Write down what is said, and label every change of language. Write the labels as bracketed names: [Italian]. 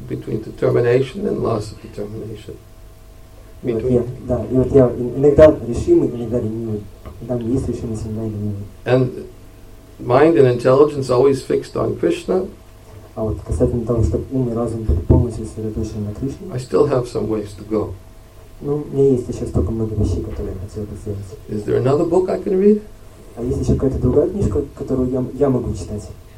[English] Between determination and loss of determination. [Russian] Вот я, да, и вот я иногда решимый, иногда ленивый. Иногда мне есть решимость, иногда ленивый. [English] And mind and intelligence always fixed on Krishna. [Russian] А вот касательно того, чтобы ум и разум были полностью сосредоточены на Кришне. [English] I still have some ways to go. [Russian] Ну, мне есть еще столько много вещей, которые я хотел бы сделать. [English] Is there another book I can read? [Russian] А есть еще какая-то другая книжка, которую я могу читать?